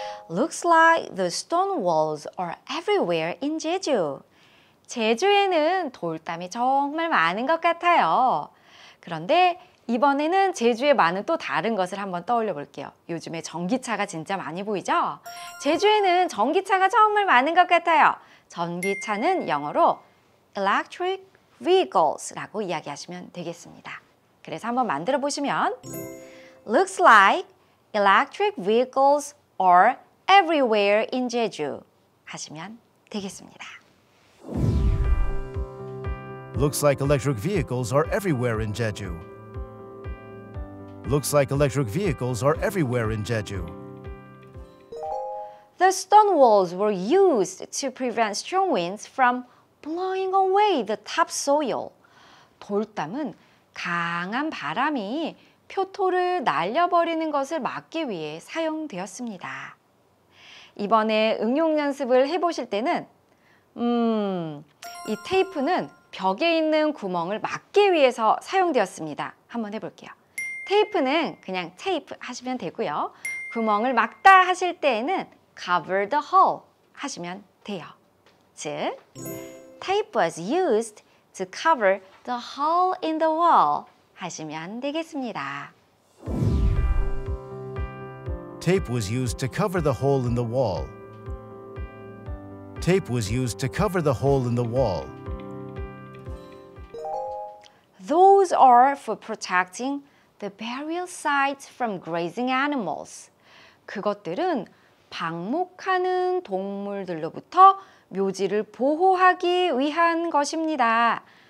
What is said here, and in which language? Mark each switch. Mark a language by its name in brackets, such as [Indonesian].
[English] Looks like the stone walls are everywhere in Jeju. [Korean] 제주에는 돌담이 정말 많은 것 같아요. 그런데 이번에는 제주에 많은 또 다른 것을 한번 떠올려 볼게요. 요즘에 전기차가 진짜 많이 보이죠? 제주에는 전기차가 정말 많은 것 같아요. 전기차는 영어로 [English] electric vehicles [Korean] 라고 이야기하시면 되겠습니다. 그래서 한번 만들어 보시면 [English] Looks like electric vehicles or everywhere in Jeju [Korean] 하시면 되겠습니다. [English] Looks like electric vehicles are everywhere in Jeju. Looks like electric vehicles are everywhere in Jeju. The stone walls were used to prevent strong winds from blowing away the topsoil. [Korean] 돌담은 강한 바람이 표토를 날려버리는 것을 막기 위해 사용되었습니다. 이번에 응용 연습을 해보실 때는 이 테이프는 벽에 있는 구멍을 막기 위해서 사용되었습니다. 한번 해볼게요. 테이프는 그냥 테이프 하시면 되고요. 구멍을 막다 하실 때에는 [English] cover the hole [Korean] 하시면 돼요. [English] 즉, tape was used to cover the hole in the wall [Korean] 하시면 되겠습니다. [English] Tape was used to cover the hole in the wall. Tape was used to cover the hole in the wall. Those are for protecting the burial sites from grazing animals. [Korean] 그것들은 방목하는 동물들로부터 묘지를 보호하기 위한 것입니다.